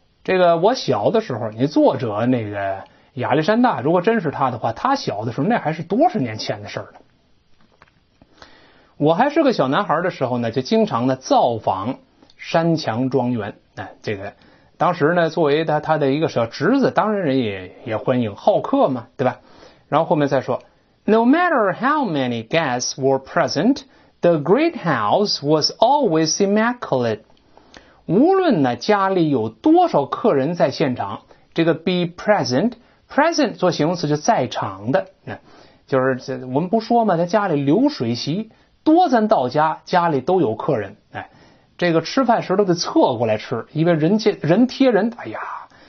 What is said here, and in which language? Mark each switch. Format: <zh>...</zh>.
<zh>这个我小的时候，你作者那个亚历山大，如果真是他的话，他小的时候那还是多少年前的事儿了。我还是个小男孩的时候呢，就经常呢造访山墙庄园。哎，这个当时呢，作为他的一个小侄子，当然人也欢迎，好客嘛，对吧？然后后面再说</zh> <en>，No matter how many guests were present, the great house was always immaculate。</en> <zh>无论呢家里有多少客人在现场，这个 be present 做形容词就在场的，就是我们不说嘛，他家里流水席多，咱到家家里都有客人，哎，这个吃饭时都得侧过来吃，因为人贴人，哎呀，</zh>